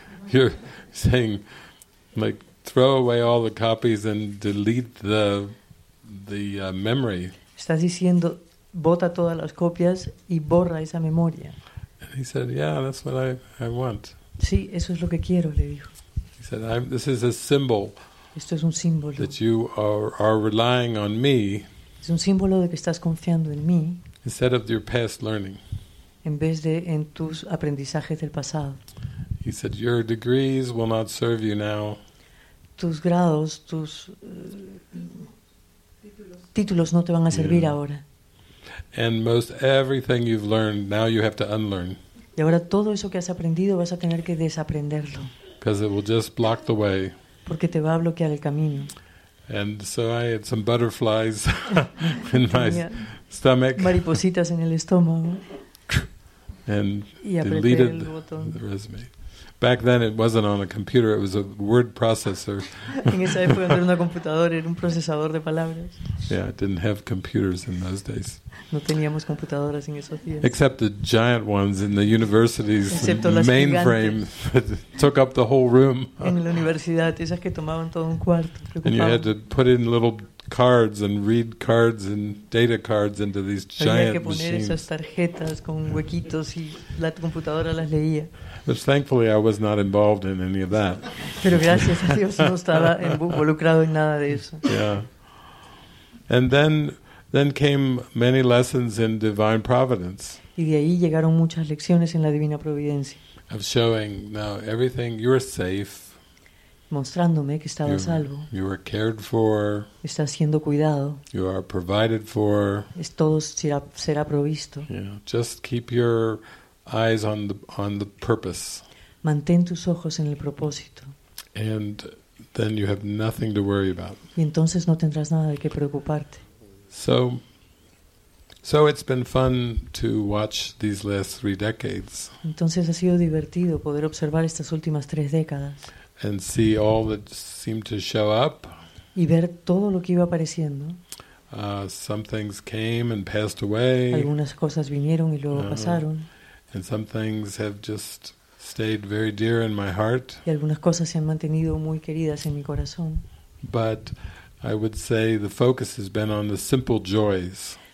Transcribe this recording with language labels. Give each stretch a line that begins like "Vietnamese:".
English: You're saying, like, throw away all the copies and delete the memory.
Spanish: ¿Estás diciendo bota todas las copias y borra esa memoria?
English: And he said, "Yeah, that's what I want."
Spanish: Sí, eso es lo que quiero, le dijo.
English: He said, "This is a symbol."
Spanish: Esto es un símbolo.
English: That you are relying on me.
Spanish: Es un símbolo de que estás confiando en mí.
English: Instead of your past learning.
Spanish: En vez de en tus aprendizajes del pasado.
English: He said, "Your degrees will not serve you now."
Spanish: Tus grados, tus títulos no te van a servir ahora.
English: And most everything you've learned, now you have to unlearn.
Spanish: Y ahora todo eso que has aprendido vas a tener que desaprenderlo.
English: Because it will just block the way.
Spanish: Porque te va a bloquear el camino.
English: And so I had some butterflies in my stomach.
Spanish: Maripositas en el estómago.
English: And deleted the resume. Back then it wasn't on a computer, it was a word processor.
Spanish: En esa época no era una computadora, era un procesador de palabras.
English: Yeah, I didn't have computers in those days.
Spanish: No teníamos computadoras en esos días.
English: Except the giant ones in the university's mainframe that took up the whole room.
Spanish: En la universidad, esas que tomaban todo un cuarto, preocupaban.
English: And you had to put in little cards and read cards and data cards into these giant machines.
Spanish: Había que poner esas tarjetas con huequitos y la computadora las leía.
English: But thankfully, I was not involved in any of that.
Spanish: Pero gracias a Dios no estaba involucrado en nada de eso.
English: Yeah. And then came many lessons in divine providence.
Spanish: Y de ahí llegaron muchas lecciones en la divina providencia.
English: Of showing now everything, you were safe.
Spanish: Mostrándome que estaba a salvo.
English: You were cared for.
Spanish: Estás siendo cuidado.
English: You are provided for.
Spanish: Es todo será provisto.
English: Yeah. Just keep your eyes on the purpose.
Spanish: Mantén tus ojos en el propósito.
English: And then you have nothing to worry about.
Spanish: Y entonces no tendrás nada de qué preocuparte.
English: So it's been fun to watch these last three decades.
Spanish: Entonces ha sido divertido poder observar estas últimas tres décadas.
English: And see all that seemed to show up.
Spanish: Y ver todo lo que iba apareciendo.
English: Some things came and passed away.
Spanish: Algunas cosas vinieron y luego pasaron.
English: And some things have just stayed very dear in my heart.
Spanish: Y algunas cosas se han mantenido muy queridas en mi corazón.
English: But I would say the focus has been on the simple joys.